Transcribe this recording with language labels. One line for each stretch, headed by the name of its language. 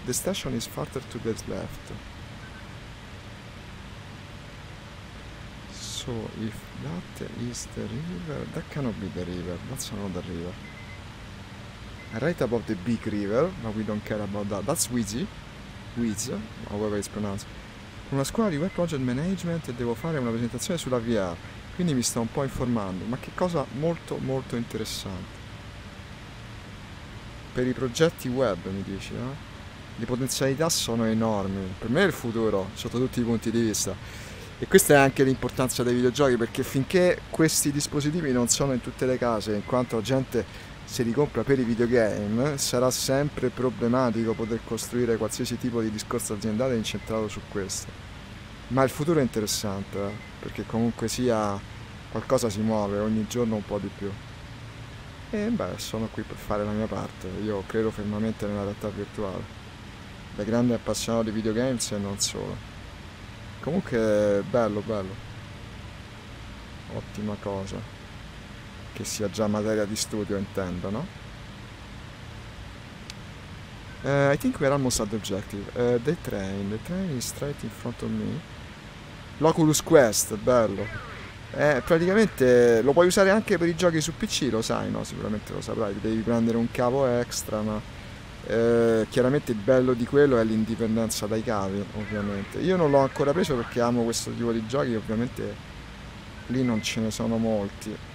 English: The station is farther to the left. So, if that is the river, that cannot be the river. That's another river. Right above the big river, but we don't care about that. That's Wheezy. Wiz, however it's pronounced.
Italian: Con la scuola di Web Project Management devo fare una presentazione sulla VR, quindi mi sto un po' informando, ma che cosa molto molto interessante. Per i progetti web, mi dici, no? Le potenzialità sono enormi, per me è il futuro, sotto tutti i punti di vista. E questa è anche l'importanza dei videogiochi, perché finché questi dispositivi non sono in tutte le case, in quanto gente se li compra per i videogame, sarà sempre problematico poter costruire qualsiasi tipo di discorso aziendale incentrato su questo. Ma il futuro è interessante, perché comunque sia qualcosa si muove ogni giorno un po' di più. E beh, sono qui per fare la mia parte. Io credo fermamente nella realtà virtuale, da grande appassionato di videogames e non solo. Comunque, bello, bello. Ottima cosa. Che sia già materia di studio, intendo, no?
English: I think we're almost at the objective. The train is straight in front of me.
Italian: L'Oculus Quest, bello. Praticamente lo puoi usare anche per i giochi su PC, lo sai, no? Sicuramente lo saprai, devi prendere un cavo extra, ma chiaramente il bello di quello è l'indipendenza dai cavi, ovviamente. Io non l'ho ancora preso perché amo questo tipo di giochi, ovviamente lì non ce ne sono molti.